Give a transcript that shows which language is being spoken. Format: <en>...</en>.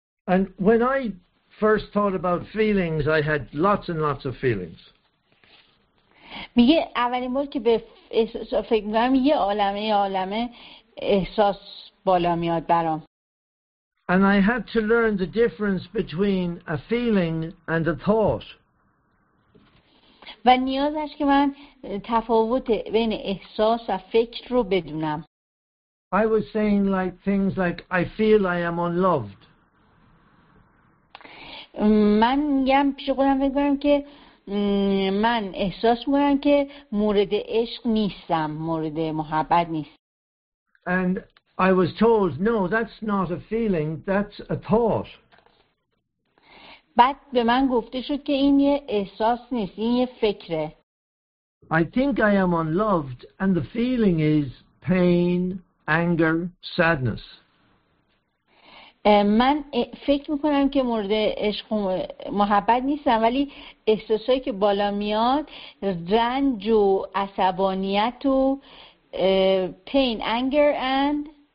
<en>And when I first thought about feelings, I had lots and lots of feelings.</en> <fa>میگه اولین بار که به احساس فکر می‌کنم یه عالمه یه عالمه احساس بالا میاد برام.</fa> <en>And I had to learn the difference between a feeling and a thought.</en> <fa>و نیازش که من تفاوت بین احساس و فکر رو بدونم.</fa> <en>I was saying like things like I feel I am unloved.</en> <fa>من میگم پیش خودم میگم که من احساس میکنم که مورد عشق نیستم، مورد محبت نیست.</fa> <en>And I was told no, that's not a feeling, that's a thought.</en> <fa>بعد به من گفته شد که این یه احساس نیست، این یه فکره.</fa> <en>I think I am unloved and the feeling is pain, anger, sadness.</en> <fa>من فکر میکنم که مورد عشق و محبت نیستم ولی احساسایی که بالا میاد رنج و عصبانیت و</fa> <en>pain, anger and</en>